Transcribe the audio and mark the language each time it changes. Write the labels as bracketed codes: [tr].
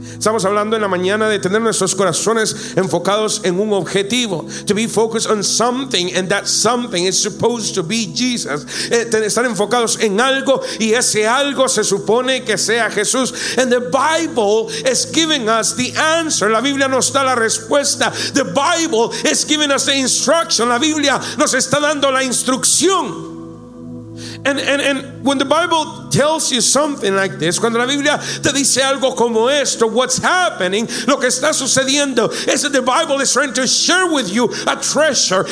[es] Estamos hablando en la mañana de tener nuestros corazones enfocados en un objetivo. [en] To be focused on something, and that something is supposed to be Jesus. [es] Estar enfocados en algo, y ese algo se supone que sea Jesús. [en] And the Bible is giving us the answer. [es] La Biblia nos da la respuesta. [en] The Bible is giving us the instruction. [es] La Biblia nos está dando la instrucción. [en] And when the Bible tells you something like this, [es] cuando la Biblia te dice algo como esto, [en] what's happening, [es] lo que está sucediendo, [en] is that the Bible is trying to share with you a treasure.